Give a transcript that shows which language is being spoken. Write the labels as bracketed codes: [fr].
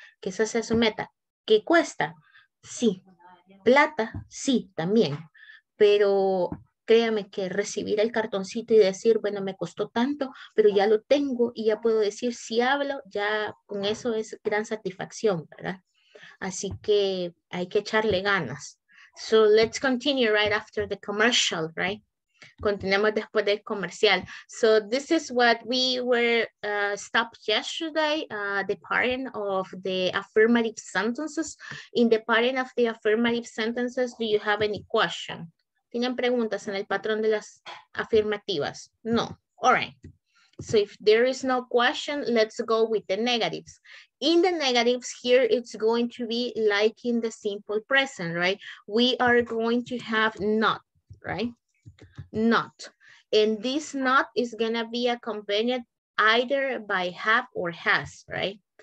[es] Que esa sea su meta. ¿Qué cuesta? Sí. ¿Plata? Sí, también. Pero créame que recibir el cartoncito y decir, bueno, me costó tanto, pero ya lo tengo y ya puedo decir, si hablo, ya con eso es gran satisfacción, ¿verdad? Así que hay que echarle ganas. [en] So let's continue right after the commercial, right? [es] Continuemos después del comercial. [en] So this is what we were stopped yesterday, the pattern of the affirmative sentences. In the pattern of the affirmative sentences, do you have any question? [es] ¿Tienen preguntas en el patrón de las afirmativas? [en] No. All right. So if there is no question, let's go with the negatives. In the negatives, here it's going to be like in the simple present, right? We are going to have not, right? Not. And this not is going to be accompanied either by have or has, right?